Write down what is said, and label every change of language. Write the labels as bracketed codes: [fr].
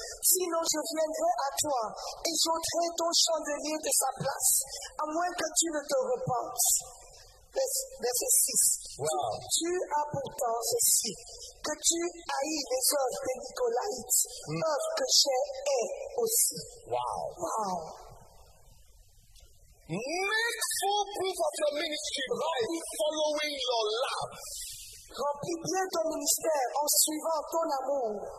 [fr] Sinon, je viendrai à toi et j'ôterai ton chandelier de sa place, à moins que tu ne te repentes. Verset 6. [en] Wow. [fr] Tu as pourtant ceci, que tu haïs les œuvres des Nicolaïtes, œuvres que j'ai haïs aussi. [en] Wow. Wow. Make full proof of your ministry by following your love. [fr] Remplis bien ton ministère en suivant ton amour.